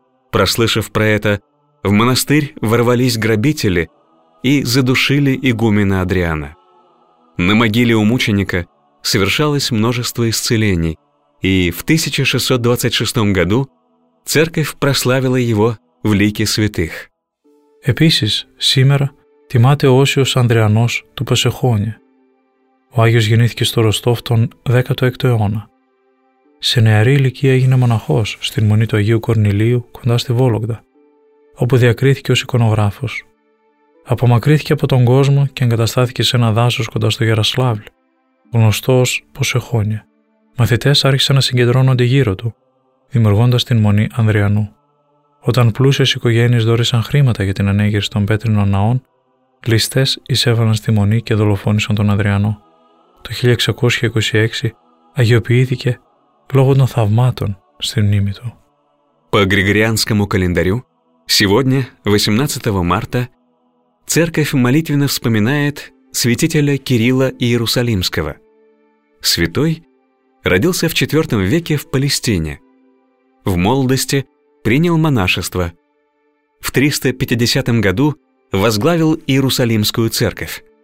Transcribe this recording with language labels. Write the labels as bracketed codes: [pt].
[ru] Прослышав про это, в монастырь ворвались грабители и задушили игумена Адриана. На могиле у мученика совершалось множество исцелений, и в 1626 году церковь прославила его в лике святых. [el] Επίσης, σήμερα τιμάται ο Όσιος Ανδριανός του Πασεχόνια. Ο Άγιος γεννήθηκε στο Ροστόφ τον 16ο αιώνα. Σε νεαρή ηλικία έγινε μοναχός στην Μονή του Αγίου Κορνηλίου κοντά στη Βόλογδα, όπου διακρίθηκε ως εικονογράφος. Απομακρύθηκε από τον κόσμο και εγκαταστάθηκε σε ένα δάσος κοντά στο Γεραστλάβλι, γνωστό ως Πασεχόνια. Μαθητές άρχισαν να συγκεντρώνονται γύρω του, δημιουργώντας την Μονή Ανδριανού. Όταν πλούσιες οικογένειες δώρισαν χρήματα για την ανέγερση των πέτρινων ναών, ληστές εισέβαλαν στη Μονή και δολοφόνησαν τον Αδριανό. Το 1626 αγιοποιήθηκε λόγω των θαυμάτων στη μνήμη του. [ru] По Григорианскому календарю, сегодня, 18 марта, церковь молитвенно вспоминает святителя Кирилла Иерусалимского. Святой родился в 4 веке в Палестине. В молодости принял монашество. В 350 году возглавил Иерусалимскую церковь.